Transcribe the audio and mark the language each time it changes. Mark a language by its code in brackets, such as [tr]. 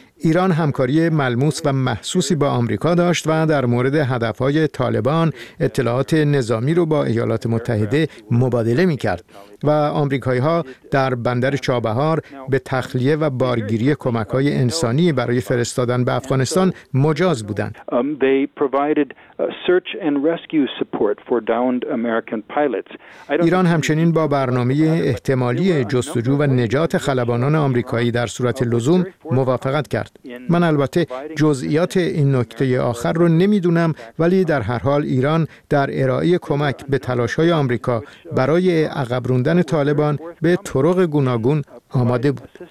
[fa] ایران همکاری ملموس و محسوسی با آمریکا داشت و در مورد هدف‌های طالبان اطلاعات نظامی را با ایالات متحده مبادله می‌کرد و آمریکایی‌ها در بندر چابهار به تخلیه و بارگیری کمک‌های انسانی برای فرستادن به افغانستان مجاز بودند. [en] They provided search and rescue support for downed American pilots. [fa] ایران همچنین با برنامه احتمالی جستجو و نجات خلبانان آمریکایی در صورت لزوم موافقت کرد. من البته جزئیات این نکته آخر رو نمی‌دونم، ولی در هر حال ایران در ارائه کمک به تلاش‌های آمریکا برای عقب راندن طالبان به طرق گوناگون آماده بود.